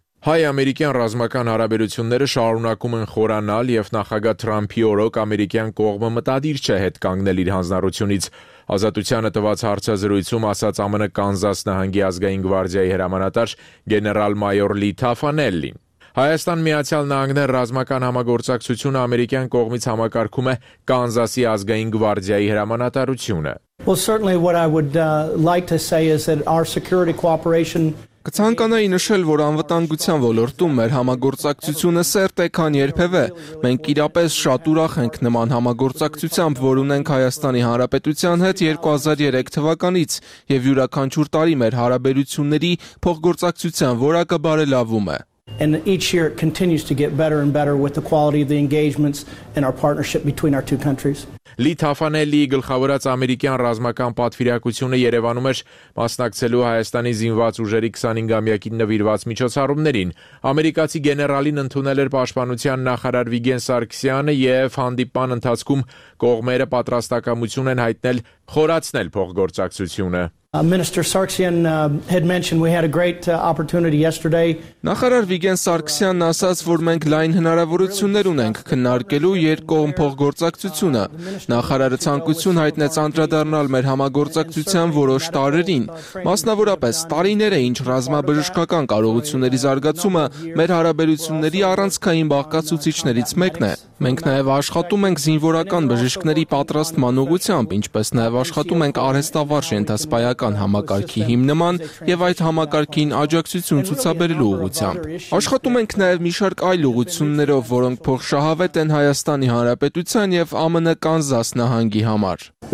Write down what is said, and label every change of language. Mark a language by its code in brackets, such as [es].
[hy] Հայ-ամերիկյան ռազմական հարաբերությունները շարունակում են խորանալ, և նախագահ Թրամփի օրոք ամերիկյան կողմը մտադիր չէ հետ կանգնել իր հանձնառությունից։ Ազատությանը տված հարցազրույցում ասաց ԱՄՆ Կանզաս նահանգի ազգային գվարդիայի հրամանատար գեներալ-մայոր Լի Թաֆանելին։ Հայաստան Միացյալ Նահանգներ ռազմական համագործակցությունը ամերիկյան կողմից համակարգում է Կանզասի ազգային գվարդիայի հրամանատարությունը։ [en] Well, certainly what I would like to say is that our security cooperation [hy] Կցանկանայի նշել, որ անվտանգության ոլորտում մեր համագործակցությունը սերտ է, քան երբևէ։ Մենք իրապես շատ ուրախ ենք նման համագործակցությամբ, որ ունենք Հայաստանի Հանրապետության հետ 2003 թվականից, և յուրաքանչյուր տարի մեր հարաբերությունների փոխգործակցության որակը բարելավում է։ [en] And each year it continues to get better and better with the quality of the engagements and our partnership between our two countries. [hy] Լի Թաֆանելի գլխավորած ամերիկյան ռազմական պատվիրակությունը Երևանում էր մասնակցելու Հայաստանի զինված ուժերի 25-ամյակի նվիրված միջոցառումներին։ Ամերիկացի գեներալին ընդունել էր պաշտպանության նախարար Վիգեն Սարգսյանը, և հանդիպան ընթացքում կողմերը պատրաստակամություն են հայտնել խորացնել փոխգործակցությունը։ [en] Minister Sarkisian had mentioned we had a great opportunity yesterday. [hy] Նախարար Վիգեն Սարգսյանն ասաց, որ մենք լայն հնարավորություններ ունենք քննարկելու երկկողմ փոխգործակցությունը։ Նախարարը ցանկություն հայտնեց անդրադառնալ մեր համագործակցության որոշ տարերին, մասնավորապես տարիները, ինչ ռազմաբժշկական կարողությունների զարգացումը մեր հարաբերությունների առանցքային բաղկացուցիչներից մեկն է։ Մենք նաև աշխատում ենք զինվորական բժիշկների պատրաստման ուղղությամբ, ինչպես նաև աշխատում ենք արհեստավարժ ենթասպայական համակարգի հիմնման և այդ համակարգին աջակցություն ցուցաբերելու ուղղությամբ։ Աշխատում ենք նաև մի շարք այլ ուղղություններով, որոնք փոխշահավետ են Հայաստանի Հանրապետության և ԱՄՆ Կանզաս նահանգի համար։